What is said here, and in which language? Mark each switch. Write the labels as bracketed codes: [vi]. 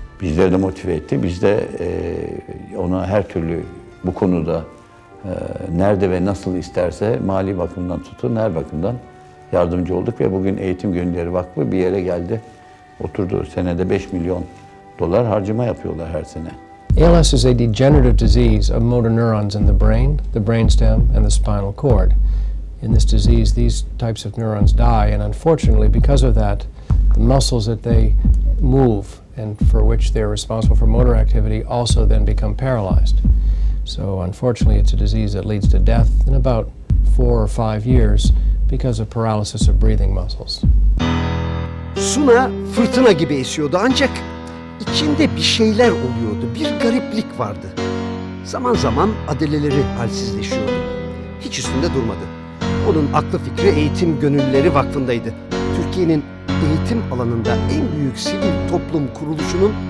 [tr] Bizleri de motive etti. Biz de ona her türlü bu konuda nerede ve nasıl isterse mali bakımdan tutun, her bakımdan yardımcı olduk. Ve bugün Eğitim Gönülleri Vakfı bir yere geldi, oturdu. Senede 5 milyon dolar harcama yapıyorlar her sene. [en] ALS is a degenerative disease of motor neurons in the brain, the brainstem, and the spinal cord. In this disease, these types of neurons die, and unfortunately, because of that, the muscles that they move and for which they're responsible for motor activity also then become paralyzed. So unfortunately, it's a disease that leads to death in about 4 or 5 years because of paralysis of breathing muscles. [tr] Suna fırtına gibi esiyordu ancak İçinde bir şeyler oluyordu, bir gariplik vardı. Zaman zaman adeleleri halsizleşiyordu. Hiç üstünde durmadı. Onun aklı fikri Eğitim Gönüllüleri Vakfı'ndaydı. Türkiye'nin eğitim alanında en büyük sivil toplum kuruluşunun